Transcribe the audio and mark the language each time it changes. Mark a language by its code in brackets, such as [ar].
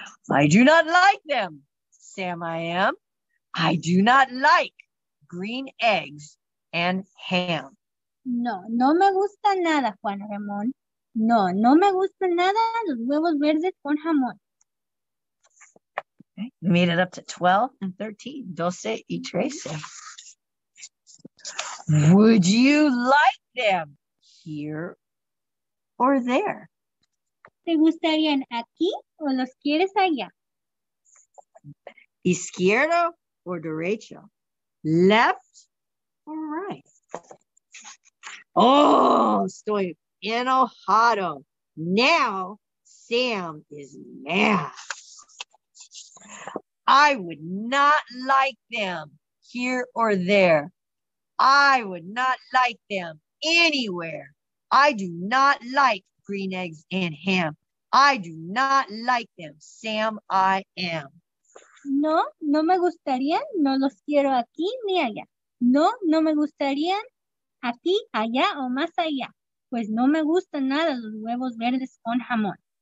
[en] I do not like them, Sam I am. I do not like green eggs and ham. [es] No, no me gusta nada, Juan Ramón. No, no me gusta nada los huevos verdes con jamón. [en] Okay. You made it up to 12 and 13, [es] 12 y 13. [en] Would you like them here or there? [es] ¿Te gustarían aquí o los quieres allá? Izquierdo o derecho? [en] Left or right? Oh, [es] estoy enojado. [en] Now Sam is mad. I would not like them here or there. I would not like them anywhere. I do not like green eggs and ham. I do not like them, Sam, I am. [es] No, no me gustaría, no los quiero aquí ni allá. No, no me gustaría aquí, allá o más allá. Pues no me gustan nada los huevos verdes con jamón.